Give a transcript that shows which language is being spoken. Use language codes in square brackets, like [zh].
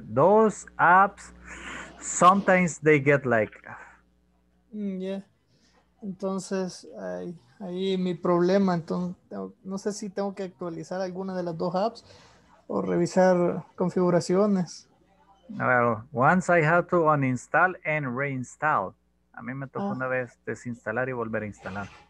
[en] Those apps, sometimes they get like... [es] Yeah. Entonces, ahí mi problema. Entonces, no sé si tengo que actualizar alguna de las dos apps o revisar configuraciones. [en] Well, once I have to uninstall and reinstall. [es] A mí me tocó una vez desinstalar y volver a instalar.